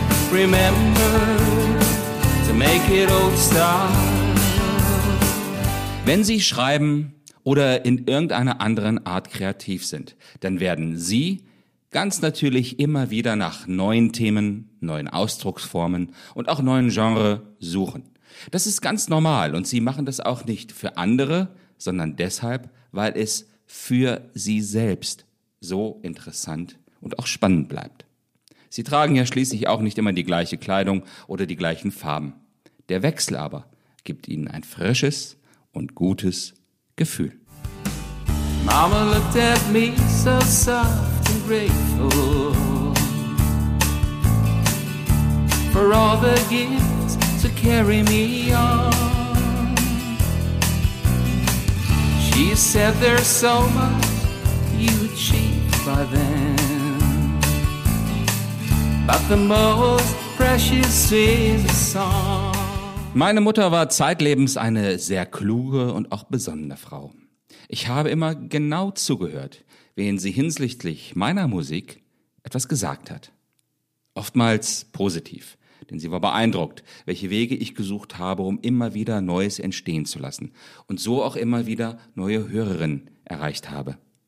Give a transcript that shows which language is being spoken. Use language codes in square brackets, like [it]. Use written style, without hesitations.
[en] Remember to make it old style. [de] Wenn Sie schreiben oder in irgendeiner anderen Art kreativ sind, dann werden Sie ganz natürlich immer wieder nach neuen Themen, neuen Ausdrucksformen und auch neuen Genres suchen. Das ist ganz normal und Sie machen das auch nicht für andere, sondern deshalb, weil es für Sie selbst so interessant und auch spannend bleibt. Sie tragen ja schließlich auch nicht immer die gleiche Kleidung oder die gleichen Farben. Der Wechsel aber gibt Ihnen ein frisches und gutes Gefühl. [en] Mama looked at me so soft and grateful for all the gifts to carry me on. She said there's so much you achieved by then, but the most precious is a song. [de] Meine Mutter war zeitlebens eine sehr kluge und auch besonnene Frau. Ich habe immer genau zugehört, wenn sie hinsichtlich meiner Musik etwas gesagt hat. Oftmals positiv, denn sie war beeindruckt, welche Wege ich gesucht habe, um immer wieder Neues entstehen zu lassen und so auch immer wieder neue Hörerinnen erreicht habe.